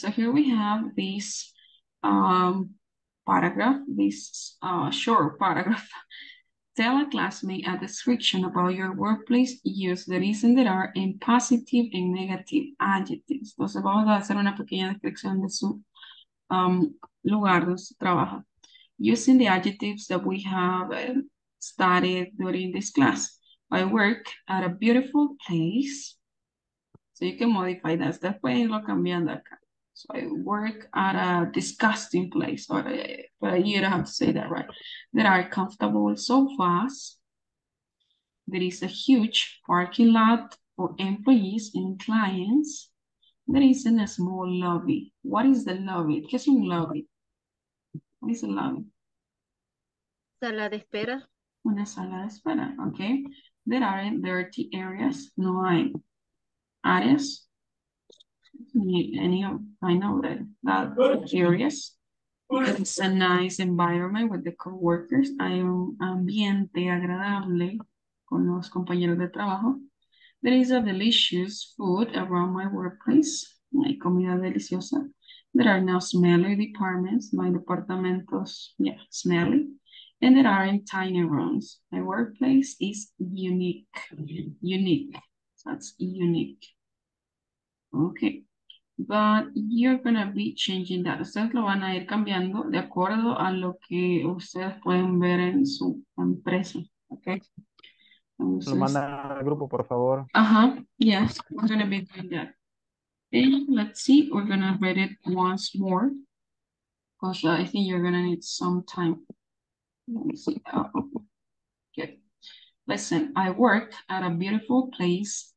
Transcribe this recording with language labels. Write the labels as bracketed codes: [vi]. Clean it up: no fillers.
[en] So here we have this paragraph, this short paragraph. Tell a classmate a description about your workplace. Use the reason that are in positive and negative adjectives. [es] Entonces vamos a hacer una pequeña descripción de su lugar donde su trabajo. [en] Using the adjectives that we have studied during this class. I work at a beautiful place. So you can modify that. [es] Después irlo cambiando acá. [en] So I work at a disgusting place, or but you don't have to say that, right? There are comfortable sofas. There is a huge parking lot for employees and clients. There is a small lobby. What is the lobby? [es] ¿Qué es un lobby? [en] What is a lobby? [es] Sala de espera. Una sala de espera, okay. [en] There aren't dirty areas. [es] No hay áreas. [en] Any of I know that curious. It's a nice environment with the co-workers. [es] Hay un ambiente agradable con los compañeros de trabajo. [en] There is a delicious food around my workplace. [es] Hay comida deliciosa. [en] There are no smelly departments. [es] No hay departamentos. [en] Yeah, smelly. And there aren't tiny rooms. My workplace is unique. Unique. That's unique. Okay. But you're going to be changing that. [es] Ustedes lo van a ir cambiando de acuerdo a lo que ustedes pueden ver en su empresa. [en] Okay. [es] Entonces, lo manda al grupo, por favor. [en] Ajá. Yes. I'm going to be doing that. Okay, let's see. We're going to read it once more. Because I think you're going to need some time. Let me see. Okay. Listen, I work at a beautiful place.